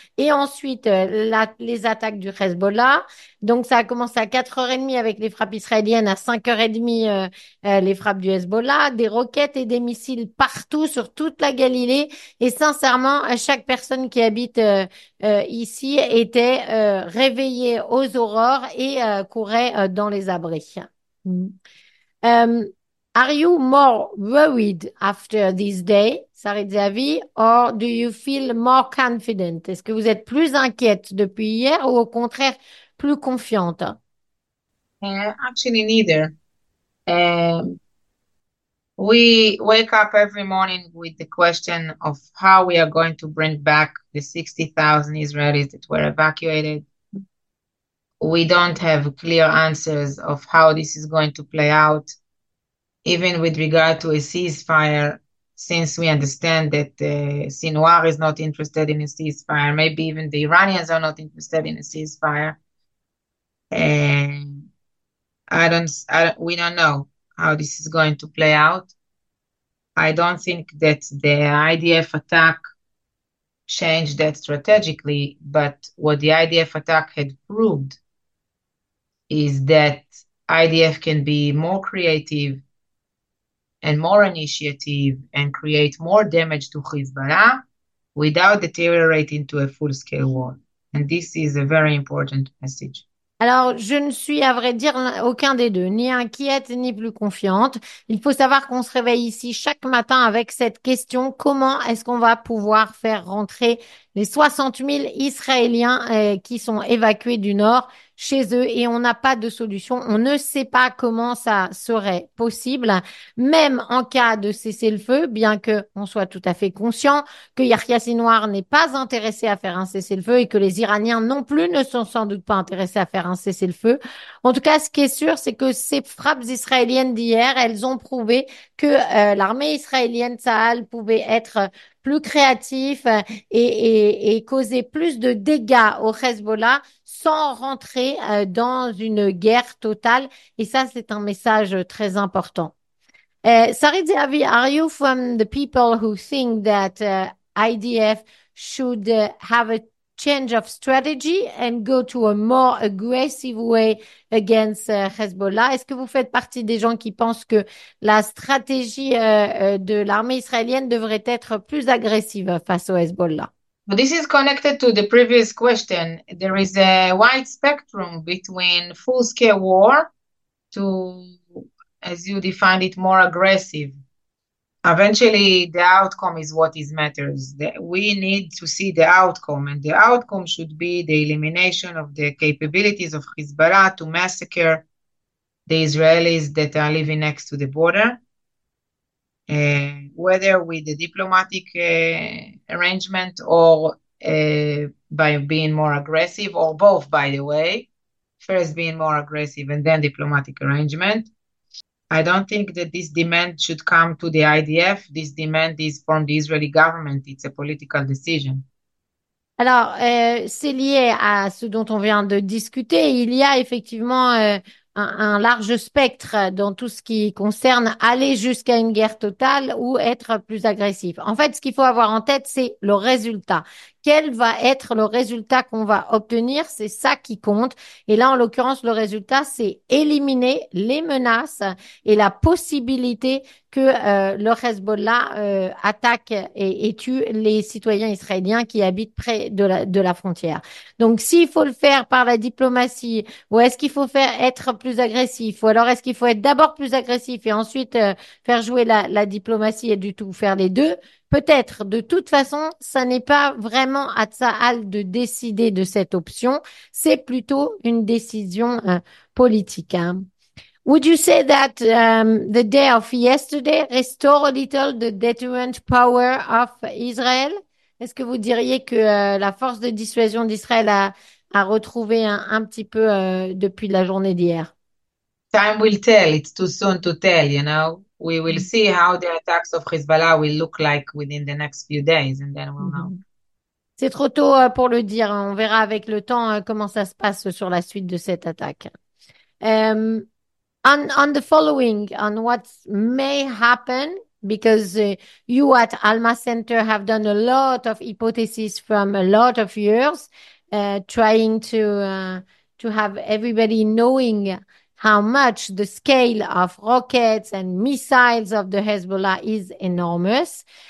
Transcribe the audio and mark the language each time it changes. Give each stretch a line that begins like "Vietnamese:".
French: Et ensuite, les attaques du Hezbollah. Donc ça a commencé à 4h30 avec les frappes israéliennes, à 5h30 les frappes du Hezbollah, des roquettes et des missiles partout sur toute la Galilée. Et sincèrement, chaque personne qui habite ici était réveillée aux aurores et courait dans les abris.
English: Are you more worried after this day, Sarit Zehavi, or do you feel more confident?
French: Est-ce que vous êtes plus inquiète depuis hier ou au contraire plus confiante?
English: Actually, neither. We wake up every morning with the question of how we are going to bring back the 60,000 Israelis that were evacuated. We don't have clear answers of how this is going to play out. Even with regard to a ceasefire, since we understand that Sinwar is not interested in a ceasefire. Maybe even the Iranians are not interested in a ceasefire. And we don't know how this is going to play out. I don't think that the IDF attack changed that strategically, but what the IDF attack had proved is that IDF can be more creative and more initiative and create more damage to Hezbollah without deteriorating to a full-scale war. And this is a very important message.
French: Alors, je ne suis, à vrai dire, aucun des deux, ni inquiète ni plus confiante. Il faut savoir qu'on se réveille ici chaque matin avec cette question: comment est-ce qu'on va pouvoir faire rentrer les 60 000 Israéliens, qui sont évacués du nord chez eux? Et on n'a pas de solution. On ne sait pas comment ça serait possible, même en cas de cessez-le-feu, bien que on soit tout à fait conscient que Yahya Sinwar n'est pas intéressé à faire un cessez-le-feu et que les Iraniens non plus ne sont sans doute pas intéressés à faire un cessez-le-feu. En tout cas, ce qui est sûr, c'est que ces frappes israéliennes d'hier, elles ont prouvé que l'armée israélienne Tsahal pouvait être plus créatif et causer plus de dégâts au Hezbollah sans rentrer dans une guerre totale. Et ça, c'est un message très important.
English: Sarit Zehavi, are you from the people who think that IDF should have a change of strategy and go to a more aggressive way against Hezbollah?
French: Est-ce que vous faites partie des gens qui pensent que la stratégie de l'armée israélienne devrait être plus agressive face au Hezbollah?
English: But this is connected to the previous question. There is a wide spectrum between full-scale war to, as you defined it, more aggressive. Eventually, the outcome is what is matters. We need to see the outcome, and the outcome should be the elimination of the capabilities of Hezbollah to massacre the Israelis that are living next to the border. Whether with the diplomatic arrangement or by being more aggressive, or both, by the way, first being more aggressive and then diplomatic arrangement. I don't think that this demand should come to the IDF. This demand is from the Israeli government. It's a political decision.
French: Alors, c'est lié à ce dont on vient de discuter. Il y a effectivement un large spectre dans tout ce qui concerne aller jusqu'à une guerre totale ou être plus agressif. En fait, ce qu'il faut avoir en tête, c'est le résultat. Quel va être le résultat qu'on va obtenir? C'est ça qui compte. Et là, en l'occurrence, le résultat, c'est éliminer les menaces et la possibilité que le Hezbollah attaque et tue les citoyens israéliens qui habitent près de la frontière. Donc, s'il faut le faire par la diplomatie, ou est-ce qu'il faut être plus agressif, ou alors est-ce qu'il faut être d'abord plus agressif et ensuite faire jouer la diplomatie et du tout faire les deux? Peut-être. De toute façon, ça n'est pas vraiment à Tsahal de décider de cette option. C'est plutôt une décision politique. Hein.
English: Would you say that the day of yesterday restored a little the deterrent power of Israel?
French: Est-ce que vous diriez que la force de dissuasion d'Israël a retrouvé un petit peu depuis la journée d'hier?
English: Time will tell. It's too soon to tell, you know. We will see how the attacks of Hezbollah will look like within the next few days, and then we'll know.
French: C'est trop tôt pour le dire. On verra avec le temps comment ça se passe sur la suite de cette attaque.
English: On the following, on what may happen, because you at Alma Center have done a lot of hypotheses from a lot of years, trying to have everybody knowing how much the scale of rockets and missiles of the Hezbollah is enormous.